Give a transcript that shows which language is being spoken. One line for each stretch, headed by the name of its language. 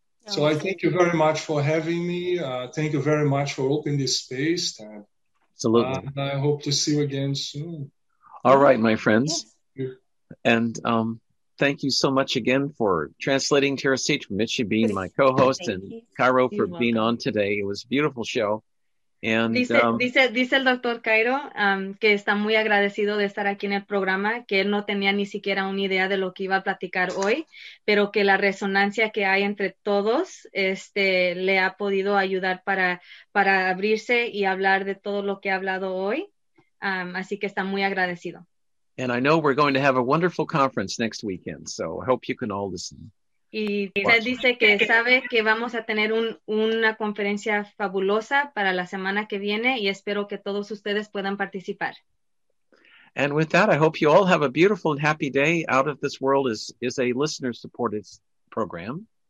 English: So I thank you very much for having me. Thank you very much for opening this space. Absolutely. And I hope to see you again soon. All right, my friends. Yes. And thank you so much again for translating Teresita, Michi being my co-host, and Cairo for welcome. Being on today. It was a beautiful show. And
Spanish: dice el doctor Cairo que está muy agradecido de estar aquí en el programa, que él no tenía ni siquiera una idea de lo que iba a platicar hoy, pero que la resonancia que hay entre todos le ha podido ayudar para abrirse y hablar de todo lo que ha hablado hoy, así que está muy agradecido.
English: And I know we're going to have a wonderful conference next weekend, so I hope you can all listen.
Spanish: Y él dice que sabe que vamos a tener una conferencia fabulosa para la semana que viene y espero que todos ustedes puedan participar.
English: And with that, I hope you all have a beautiful and happy day. Out of This World is a listener-supported program.